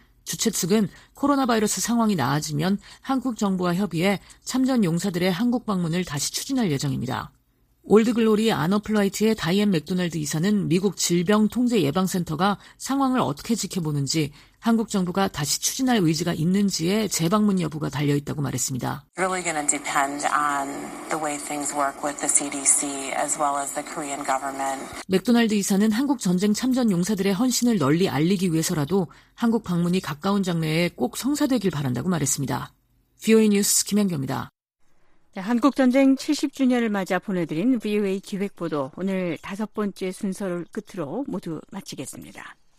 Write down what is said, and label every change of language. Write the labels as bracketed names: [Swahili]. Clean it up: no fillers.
[Korean] 주최 측은 코로나 바이러스 상황이 나아지면 한국 정부와 협의해 참전 용사들의 한국 방문을 다시 추진할 예정입니다. 올드글로리 아너플라이트의 다이앤 맥도날드 이사는 미국 질병통제예방센터가 상황을 어떻게 지켜보는지 한국 정부가 다시 추진할 의지가 있는지에 재방문 여부가 달려있다고 말했습니다. [English] Really going to depend on the way things work with the CDC as well as the Korean government. [Korean] 맥도날드 이사는 한국 전쟁 참전 용사들의 헌신을 널리 알리기 위해서라도 한국 방문이 가까운 장래에 꼭 성사되길 바란다고 말했습니다. VOA 뉴스 김현경입니다. 네, 한국전쟁 70주년을 맞아 보내드린 VOA 기획보도 오늘 다섯 번째 순서를 끝으로 모두 마치겠습니다.